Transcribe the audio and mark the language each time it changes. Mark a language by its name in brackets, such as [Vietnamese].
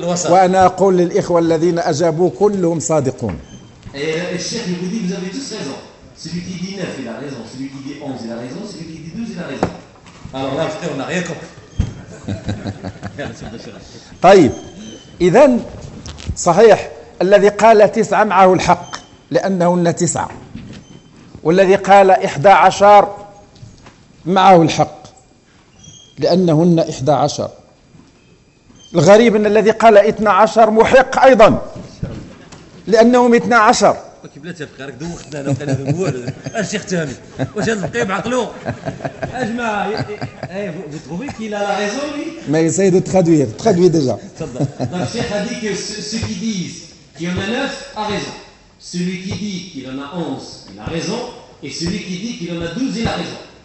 [Arabic] وأنا أقول للإخوة الذين أجابوا كلهم صادقون. [French] Et le cheikh, il vous dit, vous avez tous raison. Celui qui dit 9, il a raison. Celui qui dit 11, il a raison. Celui qui dit 12, il a raison. Alors là, frère, on n'a rien compris. [Arabic] طيب. إذن, صحيح. الذي قال 9 معه الحق. لأنهن تسعة والذي قال 11 معه الحق لأنهن 11 الغريب أن الذي قال 12 محق أيضا لأنهم 12 أوكي بلا تبقى راك دوختنا أنا وقال هذا الشيخ تهامي واش هذا القيم عقلو أجمع [French] vous trouvez qu'il a la raison lui mais essayez de traduire déjà الشيخ a dit que ceux qui disent qu'il y en a 9 a raison. Celui qui dit qu'il en a 11, il a raison. Et celui qui dit qu'il en a 12, il a raison.